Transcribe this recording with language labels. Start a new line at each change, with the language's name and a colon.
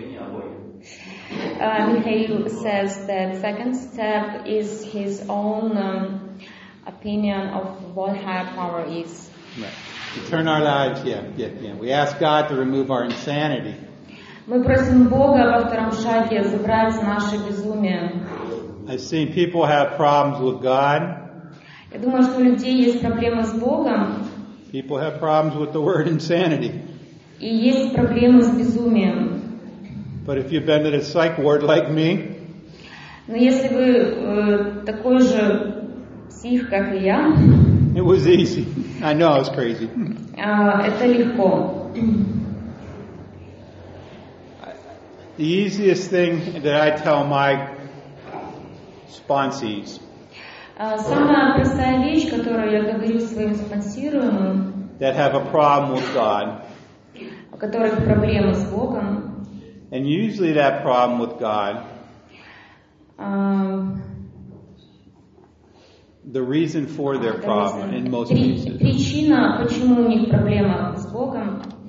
English: Михаил says that second step is his own opinion of what higher power is. Right. To turn our lives, yeah. We ask God to remove our insanity.
Russian: Мы просим Бога во втором шаге забрать наше безумие.
English: I've seen people have problems with God.
Russian: Я думаю, что у людей есть проблемы с Богом.
English: People have problems with the word insanity.
Russian: И есть проблемы с безумием.
English: But if you've been in a psych ward like me,
Russian: но если вы такой же псих, как и я,
English: it was easy. I know I was crazy.
Russian: Это легко.
English: The easiest thing that I tell my sponsees.
Russian: Самая простая вещь, которую я говорю своим спонсируемым,
English: that have a problem with God,
Russian: которых проблемы с Богом.
English: And usually that problem with God, the reason for their problem in most cases,
Russian: причина, почему у них проблема с Богом,